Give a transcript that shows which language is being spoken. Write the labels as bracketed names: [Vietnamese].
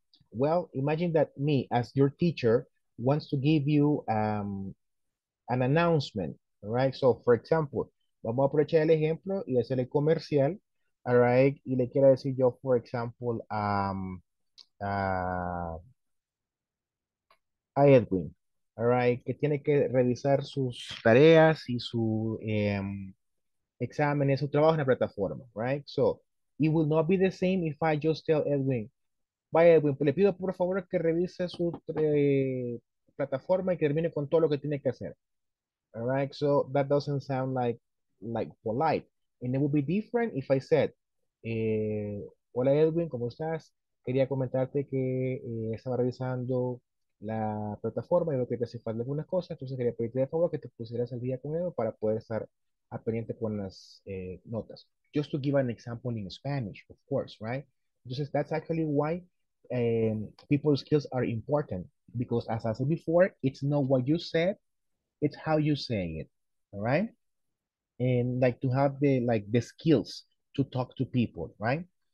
[English] Well, imagine that me, as your teacher, wants to give you an announcement, all right? So for example, [Spanish] vamos a aprovechar el ejemplo y hacerle comercial, [English] all right? [Spanish] Y le quiero decir yo, [English] for example, [Spanish] a Edwin, [English] all right? [Spanish] Que tiene que revisar sus tareas y su examen y su trabajo en la plataforma, right? [English] So it will not be the same if I just tell Edwin, [Spanish] vaya Edwin, le pido por favor que revise su plataforma y que termine con todo lo que tiene que hacer, [English] all right? So that doesn't sound like polite, and it would be different if I said, [Spanish] hola Edwin, ¿cómo estás? Quería comentarte que estaba revisando la plataforma y lo que te hace falta algunas cosas, entonces quería pedirte de favor que te pusieras al día con él para poder estar a pendiente con las notas. [English] Just to give an example in Spanish, of course, right? [Spanish] Entonces, [English] that's actually why people's skills are important, because as I said before, it's not what you said, it's how you say it, all right? And like to have the skills to talk to people, right?